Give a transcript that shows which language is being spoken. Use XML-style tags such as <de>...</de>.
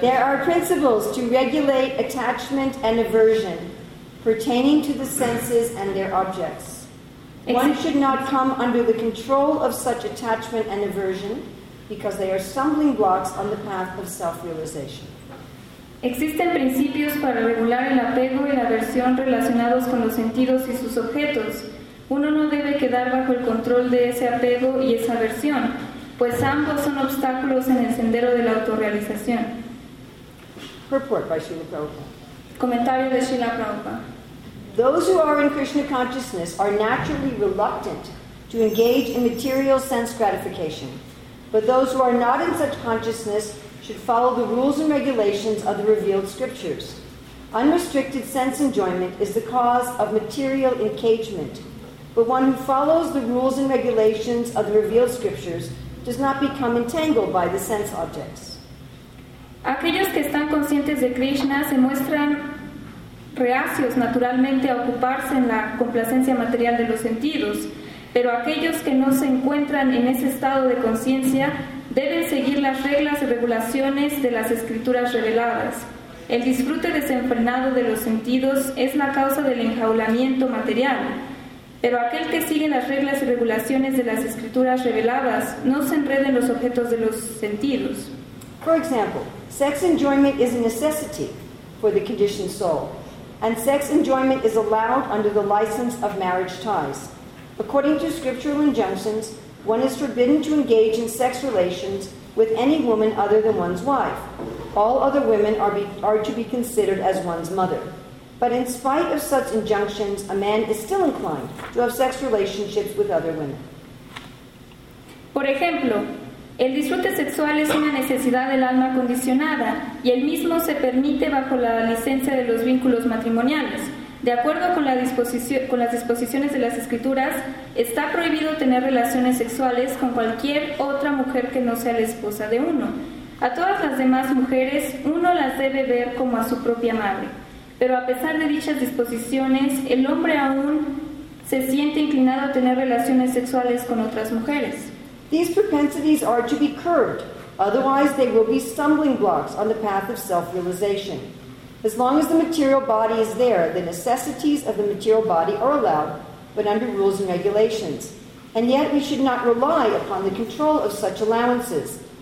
<en>There are principles to regulate attachment and aversion pertaining to the senses and their objects. One should not come under the control of such attachment and aversion because they are stumbling blocks on the path of self-realization.</en> <es>Existen principios para regular el apego y la aversión relacionados con los sentidos y sus objetos. Uno no debe quedar bajo el control de ese apego y esa aversión, pues ambos son obstáculos en el sendero de la autorrealización.</es> <en>Purport by Srila Prabhupada.</en> <es>Comentario de Srila Prabhupada.</es> <en>Those who are in Krishna consciousness are naturally reluctant to engage in material sense gratification. But those who are not in such consciousness should follow the rules and regulations of the revealed scriptures. Unrestricted sense enjoyment is the cause of material engagement. But one who follows the rules and regulations of the revealed scriptures does not become entangled by the sense objects.</en> <es>Aquellos que están conscientes de Krishna se muestran reacios naturalmente a ocuparse en la complacencia material de los sentidos, pero aquellos que no se encuentran en ese estado de conciencia deben seguir las reglas y regulaciones de las escrituras reveladas. El disfrute desenfrenado de los sentidos es la causa del enjaulamiento material, pero aquel que sigue las reglas y regulaciones de las escrituras reveladas no se enreda en los objetos de los sentidos.</es> <en>For example, sex enjoyment is a necessity for the conditioned soul, and sex enjoyment is allowed under the license of marriage ties. According to scriptural injunctions, one is forbidden to engage in sex relations with any woman other than one's wife. All other women are to be considered as one's mother. But in spite of such injunctions, a man is still inclined to have sex relationships with other women.</en> <es>Por ejemplo, el disfrute sexual es una necesidad del alma condicionada y el mismo se permite bajo la licencia de los vínculos matrimoniales. De acuerdo con, las disposiciones de las escrituras, está prohibido tener relaciones sexuales con cualquier otra mujer que no sea la esposa de uno. A todas las demás mujeres, uno las debe ver como a su propia madre. Pero a pesar de dichas disposiciones, el hombre aún se siente inclinado a tener relaciones sexuales con otras mujeres.</es> <en>These propensities are to be curbed, otherwise they will be stumbling blocks on the path of self-realization. As long as the material body is there, the necessities of the material body are allowed, but under rules and regulations. And yet we should not rely upon the control of such allowances.</en>